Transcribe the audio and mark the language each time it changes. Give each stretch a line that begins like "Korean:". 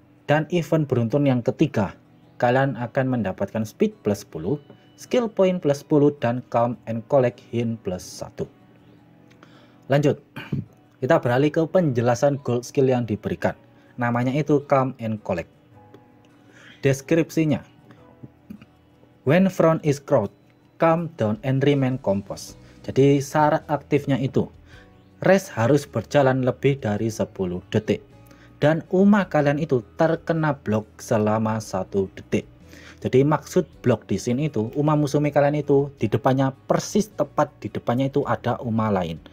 Indonesian: Dan event beruntun yang ketiga, kalian akan mendapatkan speed plus 10, skill point plus 10, dan calm and collect Hin plus 1. Lanjut, kita beralih ke penjelasan gold skill yang diberikan. Namanya itu calm and collect. Deskripsinya,
English: when front is crowd, calm down and remain composed.
Indonesian: Jadi syarat aktifnya itu, rest harus berjalan lebih dari 10 detik. Dan uma kalian itu terkena blok selama 1 detik. Jadi maksud blok di sini itu, uma musume kalian itu di depannya, persis tepat di depannya itu ada uma lain.